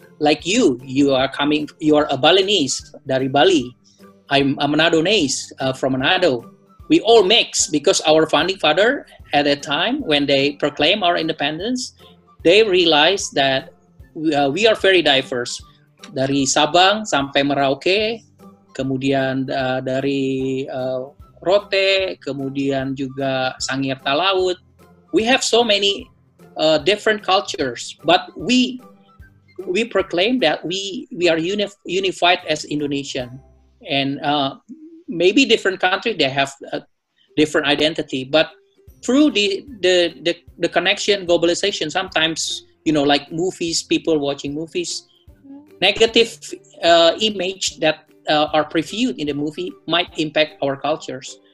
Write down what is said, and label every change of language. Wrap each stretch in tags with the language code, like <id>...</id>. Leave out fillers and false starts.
<en>Like you are coming, you are a Balinese,</en> <id>dari Bali.</id> <en>I'm a Manadonese from Manado. We all mix, because our founding father, at that time when they proclaim our independence, they realized that we are very diverse.</en> <id>Dari Sabang sampai Merauke, kemudian dari Rote, kemudian juga Sangirta Laut.</id> <en>We have so many different cultures, but we proclaim that we are unified as Indonesian. And maybe different countries, they have a different identity, but through the connection, globalization, sometimes, you know, like movies, people watching movies, negative image that are previewed in the movie might impact our cultures.</en>